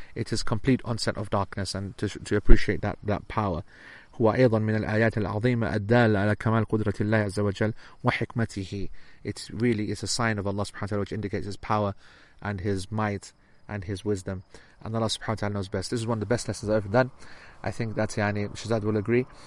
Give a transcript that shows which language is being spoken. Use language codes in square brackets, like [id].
[en] It is complete onset of darkness, and to appreciate that power. [ar] وأيضا من الآيات العظيمة الدالة على كمال قدرة الله عز وجل وحكمته. [en] It really is a sign of Allah subhanahu wa ta'ala, which indicates His power and His might and His wisdom. And Allah subhanahu wa ta'ala knows best. This is one of the best lessons I've ever done. I think that Shazad will agree.